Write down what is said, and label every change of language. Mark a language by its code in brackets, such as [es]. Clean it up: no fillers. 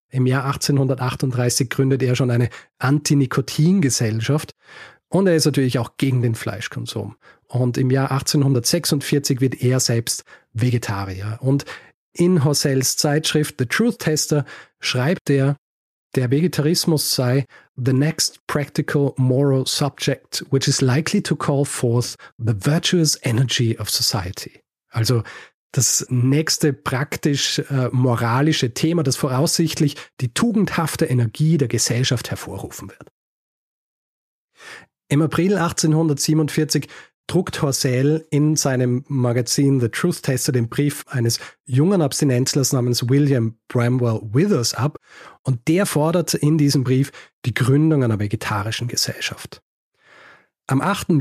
[de] Im Jahr 1838 gründet er schon eine Anti-Nikotin-Gesellschaft. Und er ist natürlich auch gegen den Fleischkonsum. Und im Jahr 1846 wird er selbst Vegetarier. Und in Horsells Zeitschrift The Truth Tester schreibt er, der Vegetarismus sei [en] the next practical moral subject, which is likely to call forth the virtuous energy of society. [de] Also das nächste praktisch moralische Thema, das voraussichtlich die tugendhafte Energie der Gesellschaft hervorrufen wird. Im April 1847 druckt Horsell in seinem Magazin The Truth Tester den Brief eines jungen Abstinenzlers namens William Bramwell Withers ab und der fordert in diesem Brief die Gründung einer vegetarischen Gesellschaft. Am 8.